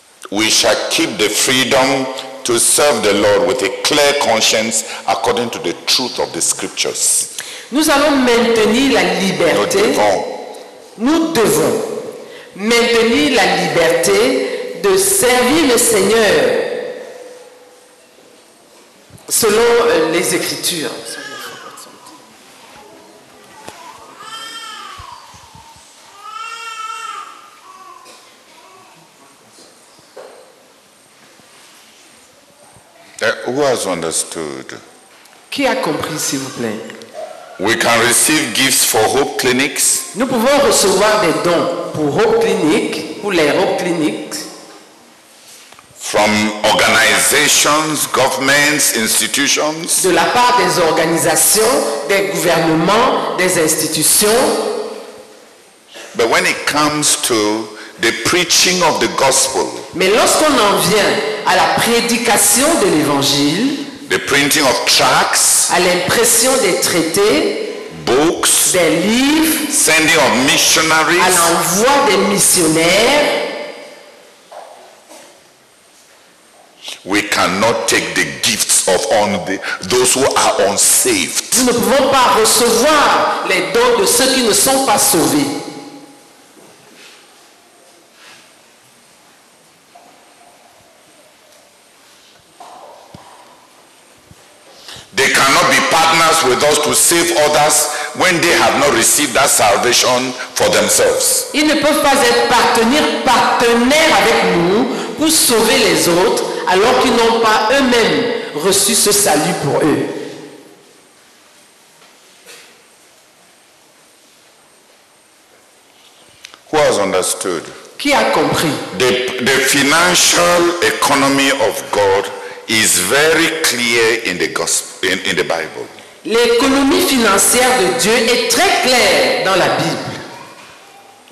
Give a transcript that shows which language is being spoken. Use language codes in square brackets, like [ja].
[en] We shall keep the freedom to serve the Lord with a clear conscience according to the truth of the scriptures. [fr] Nous allons maintenir la liberté. Nous devons maintenir la liberté de servir le Seigneur selon les Écritures. [en] Who has understood? [fr] Qui a compris, s'il vous plaît? [en] We can receive gifts for hope clinics. [fr] Nous pouvons recevoir des dons pour hope clinic, pour les hope clinics. [en] From organizations, governments, institutions. [fr] De la part des organisations, des gouvernements, des institutions. [en] But when it comes to the preaching of the gospel. [fr] Mais lorsqu'on en vient à la prédication de l'évangile, [en] the printing of tracts, [fr] à l'impression des traités, [en] books, [fr] des livres, [en] sending of missionaries, [fr] à l'envoi des missionnaires, [en] we cannot take the gifts of those who are unsaved. [fr] Nous ne pouvons pas recevoir les dons de ceux qui ne sont pas sauvés. [en] They cannot be partners with us to save others when they have not received that salvation for themselves. [fr] Ils ne peuvent pas être partenaires avec nous pour sauver les autres alors qu'ils n'ont pas eux-mêmes reçu ce salut pour eux. [en] Who has understood? [fr] Qui a compris? [en] The financial economy of God is very clear in the gospel, in the Bible. [fr] L'économie financière de Dieu est très claire dans la Bible.